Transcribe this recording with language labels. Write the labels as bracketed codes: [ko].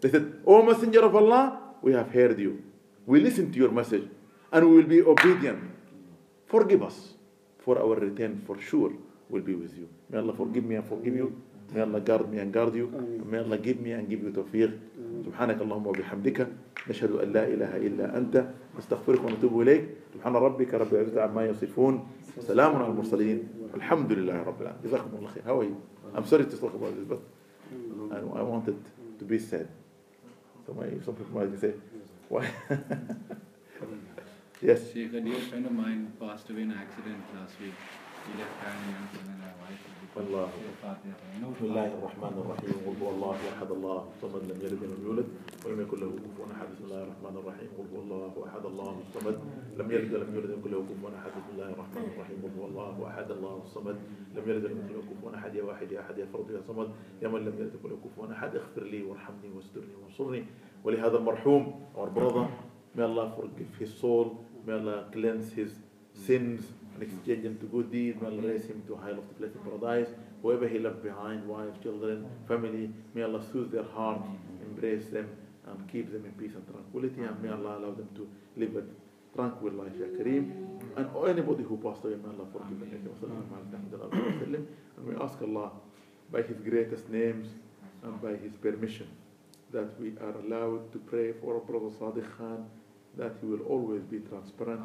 [en] They said, O Messenger of Allah, we have heard you. We listen to your message and we will be obedient. Forgive us. For our return, for sure, will be with you. May Allah forgive me and forgive you. May Allah guard me and guard you. May Allah give me and give you tawfiq. [ar] سبحانك اللهم وبحمدك نشهد أن لا إله إلا أنت نستغفرك ونتوب إليك. سبحان ربك رب العزة عما يصفون. سلام على المرسلين. الحمد لله رب العالمين. جزاكم الله خير. [en] How are you? I'm sorry to talk about this, but I wanted to be sad. So my some people might say, why? Yes. See, a dear friend of mine passed away in an accident last week. He left family and then my wife. [ar] بسم الله الرحمن الرحيم قل هو الله احد الله الصمد لم يلد ولم يولد ولم يكن له كفوا احد بسم الله الرحمن الرحيم قل هو الله احد الله الصمد لم يلد ولم يولد ولم يكن له كفوا احد بسم الله الرحمن الرحيم قل هو الله احد الله الصمد لم يلد ولم يولد ولم يكن له كفوا احد يا واحد يا احد يا فرد يا صمد يا من لم يلد ولم يولد ولم يكن له كفوا احد اغفر لي وارحمني واسترني وانصرني ولهذا المرحوم [en] our brother may Allah forgive his soul may Allah cleanse his sins and exchange them to good deeds, may Allah raise him to a high lofty place in paradise. Whoever he left behind, wife, children, family, may Allah soothe their heart, embrace them, and keep them in peace and tranquility, and may Allah allow them to live a tranquil life, Ya Kareem. And anybody who passed away, may Allah forgive them. And we ask Allah, by His greatest names and by His permission, that we are allowed to pray for our brother Sadiq Khan, that he will always be transparent,